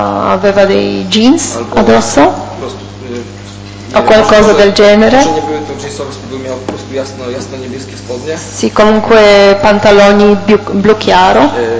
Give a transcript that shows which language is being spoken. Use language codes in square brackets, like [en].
[it] Aveva dei jeans addosso. [pl] Po prostu. [it] O qualcosa del genere. [pl] Nie były to jeansowe spodnie, miał po prostu jasno niebieskie spodnie. [it] Sì, comunque pantaloni blu chiaro.